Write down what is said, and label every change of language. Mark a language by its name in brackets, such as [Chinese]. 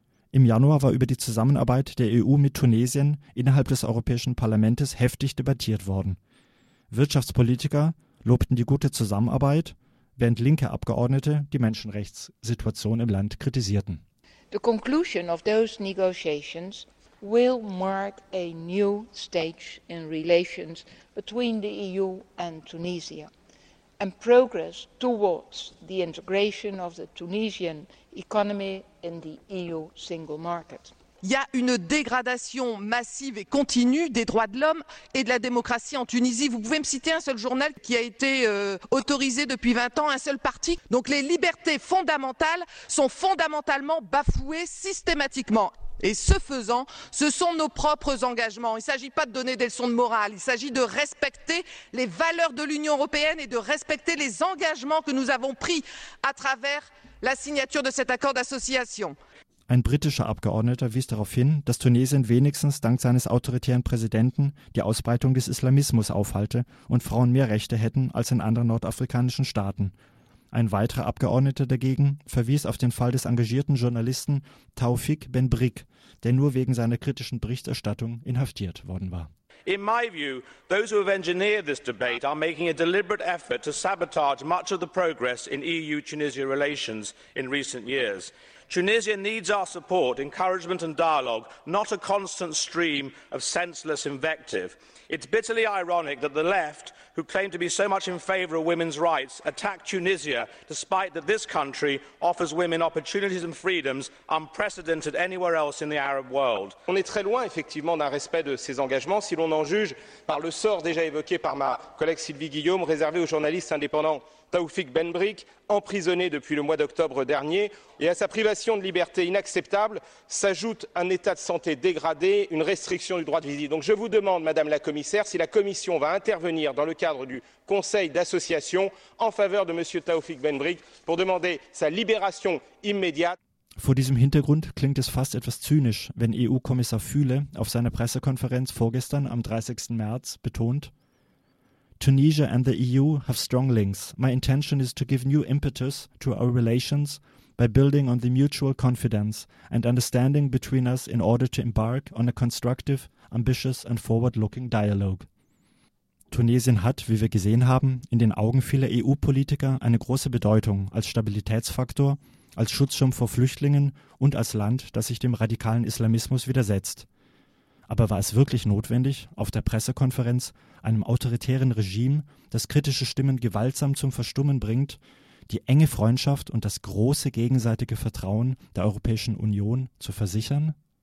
[German] Im Januar war über die Zusammenarbeit der EU mit Tunesien innerhalb des Europäischen Parlaments heftig debattiert worden. Wirtschaftspolitiker lobten die gute Zusammenarbeit, während linke Abgeordnete die Menschenrechtssituation im Land kritisierten. [English] The conclusion of those negotiations will mark a new stage in relations between the EU and Tunisia, and progress towards the integration of the Tunisian economy in the EU single market. [French] Il y a une dégradation massive et continue des droits de l'homme et de la démocratie en Tunisie. Vous pouvez me citer un seul journal qui a été autorisé depuis 20 ans, un seul parti. Donc les libertés fondamentales sont fondamentalement bafouées systématiquement. Et ce faisant, ce sont nos propres engagements. Il ne s'agit pas de donner des leçons de morale, il s'agit de respecter les valeurs de l'Union européenne et de respecter les engagements que nous avons pris à travers la signature de cet accord d'association. [German] Ein britischer Abgeordneter wies darauf hin, dass Tunesien wenigstens dank seines autoritären Präsidenten die Ausbreitung des Islamismus aufhalte und Frauen mehr Rechte hätten als in anderen nordafrikanischen Staaten. Ein weiterer Abgeordneter dagegen verwies auf den Fall des engagierten Journalisten Taufik Ben Brik, der nur wegen seiner kritischen Berichterstattung inhaftiert worden war. [English] In my view, those who have engineered this debate are making a deliberate effort to sabotage much of the progress in EU-Tunisia relations in recent years. Tunisia needs our support, encouragement and dialogue, not a constant stream of senseless invective. It's bitterly ironic that the left, who claim to be so much in favour of women's rights, attack Tunisia, despite that this country offers women opportunities and freedoms unprecedented anywhere else in the Arab world. [French] On est très loin, effectivement, d'un respect de ces engagements, si l'on en juge par le sort déjà évoqué par ma collègue Sylvie Guillaume, réservé aux journalistes indépendants. Taufik Ben Brik, emprisonné depuis le mois d'octobre dernier, et à sa privation de liberté inacceptable s'ajoute un état de santé dégradé, une restriction du droit de visite. Donc je vous demande, Madame la Commissaire, si la Commission va intervenir dans le cadre du Conseil d'association en faveur de Monsieur Taufik Ben Brik pour demander sa libération immédiate. [German] Vor diesem Hintergrund klingt es fast etwas zynisch, wenn EU-Kommissar Füle auf seiner Pressekonferenz vorgestern am 30. März betont: [English] Tunisia and the EU have strong links. My intention is to give new impetus to our relations by building on the mutual confidence and understanding between us in order to embark on a constructive, ambitious and forward-looking dialogue. [German] Tunesien hat, wie wir gesehen haben, in den Augen vieler EU-Politiker eine große Bedeutung als Stabilitätsfaktor, als Schutzschirm vor Flüchtlingen und als Land, das sich dem radikalen Islamismus widersetzt. Aber war es wirklich notwendig, auf der Pressekonferenz einem autoritären Regime, das kritische Stimmen gewaltsam zum Verstummen bringt, die enge Freundschaft und das große gegenseitige Vertrauen der Europäischen Union zu versichern?